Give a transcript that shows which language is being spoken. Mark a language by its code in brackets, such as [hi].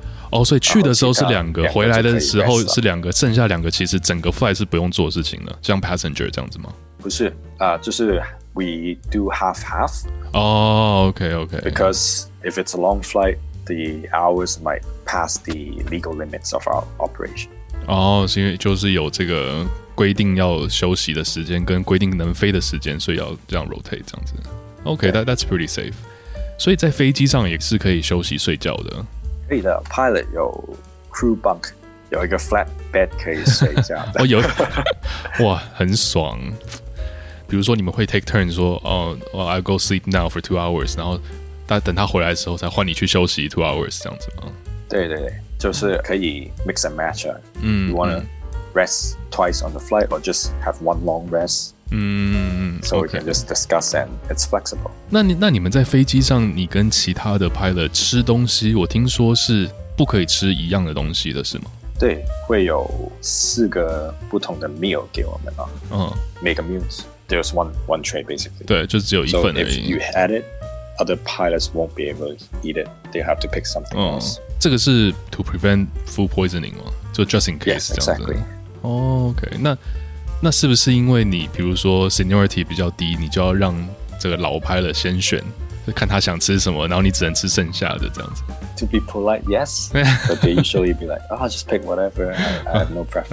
[zh] 哦，所以去的时候是两个，回来的时候是两个，剩下两个其实整个 flight 是不用做事情的，像 passenger 这样子吗？不是，就是。 [en] We do half-half. Oh, okay. Because if it's a long flight, the hours might pass the legal limits of our operation. [zh] Oh, 是因为就是有这个规定要休息的时间跟规定能飞的时间，所以要这样 rotate 这样子。 [en] Okay, that's pretty safe. [zh] 所以在飞机上也是可以休息睡觉的。可以的 ，pilot 有 crew bunk。有一个 flat bed 可以睡觉的。哦，有，哇，很爽。比如说你们会 take turn 说哦、 [en] well, I'll go sleep now for 2 hours， [zh] 然后等他回来的时候才换你去休息 2 hours 这样子吗？对，就是可以 [en] mix and match [zh] 啊。 [en] You wanna rest twice on the flight or just have one long rest？ So we can just discuss and it's flexible。 [zh] 那你们在飞机上，你跟其他的 pilot 吃东西，我听说是不可以吃一样的东西的，是吗？对，会有四个不同的 meal 给我们啊。 [en] Make a meal。 There's one tray basically. [zh] 对，就只有一份而已。 [en] So if you had it, other pilots won't be able to eat it. They have to pick something else. [zh] 这个是 [en] to prevent food poisoning [zh] 吗？就 [en] just in case [zh] 这样子。 [en] Yes, exactly. [zh] OK, 那是不是因为你比如说 seniority 比较低，你就要让这个老 pilot 先选，看他想吃什么，然后你只能吃剩下的这样子。 [en] To be polite, yes, but they usually be like, oh, just pick whatever, I have no preference.